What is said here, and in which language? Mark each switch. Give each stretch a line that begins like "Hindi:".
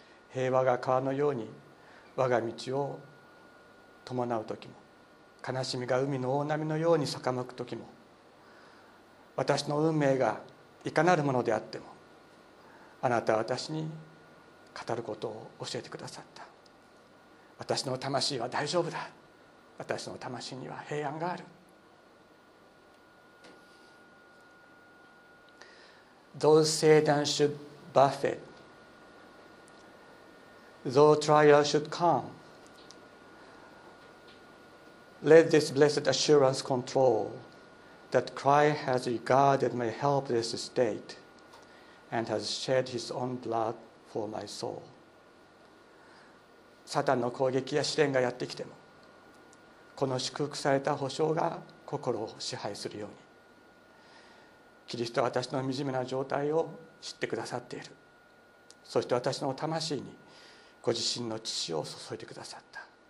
Japanese: 平和が川のように我が道を伴うときも、悲しみが海の大波のように逆向くときも、私の運命がいかなるものであっても、あなたは私に語ることを教えてくださった。私の魂は大丈夫だ。私の魂には平安がある。
English: Though Satan should buffet, though trial should come, let this blessed assurance control. That Christ has regarded my helpless state and has shed his own blood for my soul.
Japanese: サタンの攻撃や試練がやってきても、この祝福された保証が心を支配するように。キリストは私の惨めな状態を知ってくださっている。そして私の魂にご自身の血を注いでくださった。